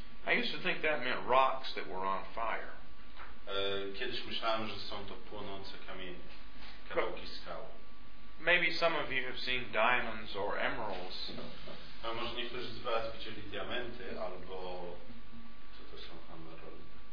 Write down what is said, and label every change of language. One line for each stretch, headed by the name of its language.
English: I used to think that meant rocks that were on fire.
Polish: Kiedyś myślałem, że są to płonące kamienie, kawałki skały.
English: Maybe some of you have seen diamonds or emeralds.
Polish: A może niektórzy z was widzieli diamenty albo co to są emeraldy?